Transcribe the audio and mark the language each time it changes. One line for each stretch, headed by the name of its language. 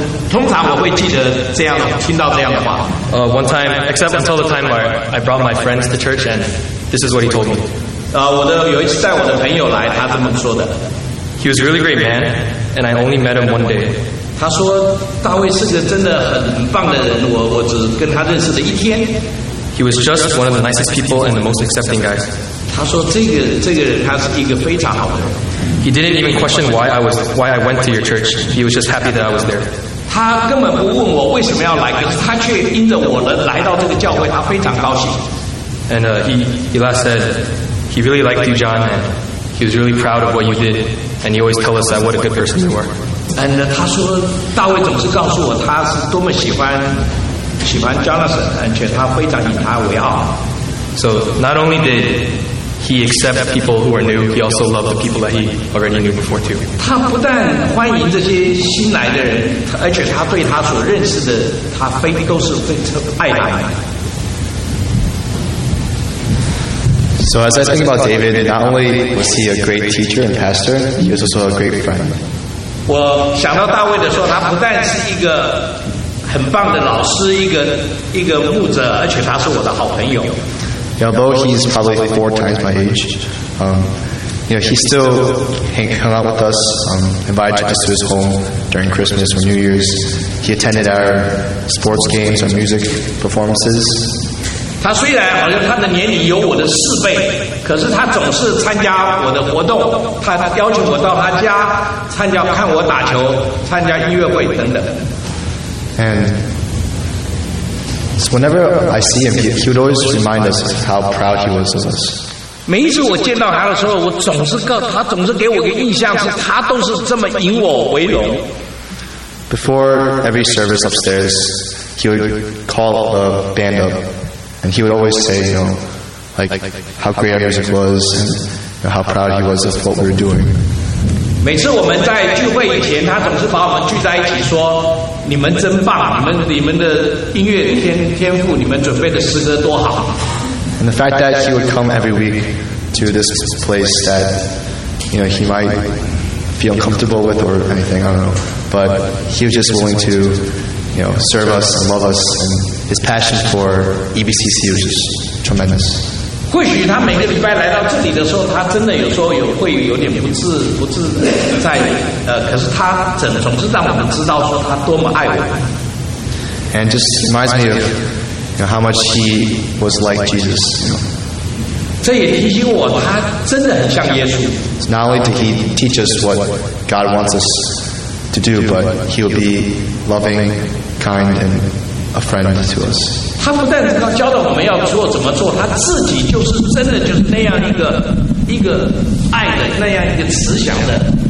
Chinese: 通常我会记得这样听到这样的话。
English: One time, except until the time where I brought my friends to church, and this is what he told me.
Chinese: 有一次带我的朋友来，他这么说的。
English: He was a really great man, and I only met him one day.
Chinese: 他说大卫是个真的很棒的人，我只跟他认识了一天。
English: He was just one of the nicest people and the most accepting guys.
Chinese: 他说这个人他是一个非常好的人。
English: He didn't even question why I went to your church. He was just happy that I was there.
Chinese: 他根本不问我为什么要来，可是他却因着我来到这个教会，他非常高兴。
English: And he last said he really liked you, John, and he was really proud of what you did, and he always told us that what a good person you were.
Chinese: And 他说大卫总是告诉我他是多么喜欢 Jonathan， 而且他非常以他为傲。
English: So not only did he accepts people who are new, he also loves the people that he already knew before too.
Chinese: 他不但欢迎这些新来的人，而且他对他所认识的，他非都是非常爱戴。
English: So as I think about David, not only was he a great teacher and pastor, he was also a great friend.
Chinese: 我想到大卫的时候，他不但是一个很棒的老师，一个牧者，而且他是我的好朋友。
English: Although he's probably four times my age, he still hung out with us, invited us to his home during Christmas or New Year's. He attended our sports games and music performances.
Chinese: 他虽然好像他的年龄有我的四倍，可是他总是参加我的活动。他邀请我到他家参加看我打球，参加音乐会等等。
English: And so whenever I see him, he would always remind us how proud he was of us.
Chinese: 每一次我见到他的时候，我总是告他总是给我个印象是他都是这么引我为荣。
English: Before every service upstairs, he would call the band up, and he would always say, how great our music was, and how proud he was of what we were doing.
Chinese: 每次我们在聚会以前，他总是把我们聚在一起说。你们真棒，你们的音乐天赋，你们准备的诗歌多好。
English: And the fact that he would come every week to this place that, he might feel uncomfortable with or anything, I don't know. But he was just willing to, serve us and love us, and his passion for EBCC was just tremendous.
Chinese: 或许他每个礼拜来到这里的时候，他真的有时候会有点不自在。可是他总是让我们知道说他多么爱我。
English: And just reminds me of how much he was like Jesus.
Chinese: 这也提醒我，他真的很像耶稣。
English: Not only did he teach us what God wants us to do, but he will be loving, kind, and a friend to us.
Chinese: 他不但教导我们要做怎么做，他自己就是真的就是那样一个爱的那样一个慈祥的。